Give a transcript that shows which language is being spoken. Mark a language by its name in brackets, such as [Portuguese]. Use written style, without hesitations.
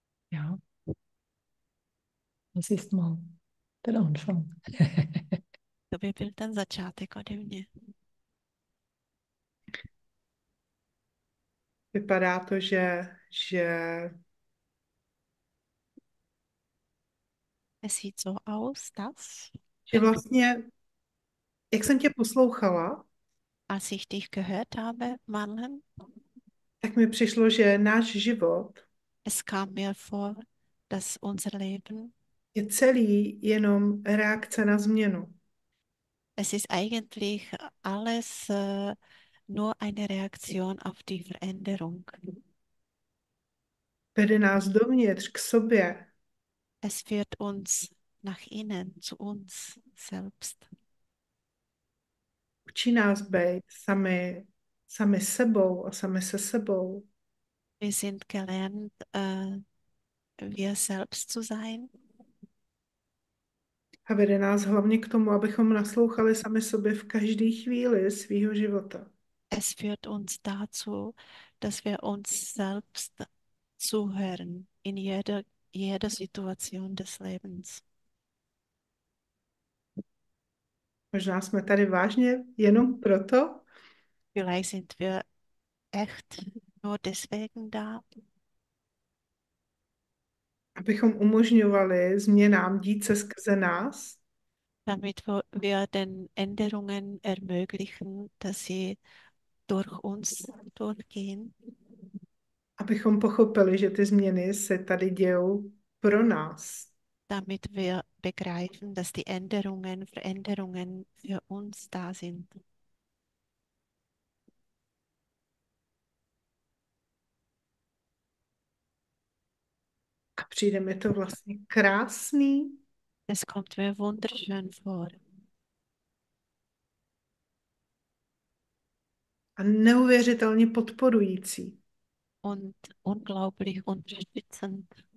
[German] Ja, das ist mal der Anfang. [Czech] To by byl ten začátek ode mě. Vypadá to, že [German] Es sieht so aus, dass, [Czech] vlastně, jak jsem tě poslouchala, [German] als ich dich gehört habe, Marlen, [Czech] tak mi přišlo, že náš život [German] es kam mir vor, dass unser Leben, [Czech] je celý jenom reakce na změnu. [German] es ist eigentlich alles nur eine Reaktion auf die Veränderung. [Czech] Vede nás dovnitř, k sobě. [German] Es führt uns nach innen, zu uns selbst. [Czech] Učí nás být sami sebou a sami se sebou. [German] Wir sind gelernt, wir selbst zu sein. [Czech] A vede nás hlavně k tomu, abychom naslouchali sami sobě v každé chvíli svého života. [German] Es führt uns dazu, dass wir uns selbst zuhören in jeder Situation des Lebens. [Czech] Možná jsme tady vážně jenom proto, [German] Vielleicht sind wir echt nur deswegen da. [Czech] abychom umožňovali změnám dít se skrze nás. [German] Damit wir den Änderungen ermöglichen, dass sie durch uns durchgehen. [Czech] Abychom pochopili, že ty změny se tady dějou pro nás. [German] Damit wir begreifen, dass die Änderungen, Veränderungen für uns da sind. [Czech] A přijde mi to vlastně krásný. [German] Es kommt mir wunderschön vor. [Czech] A neuvěřitelně podporující. [German] Und unglaublich unterstützend.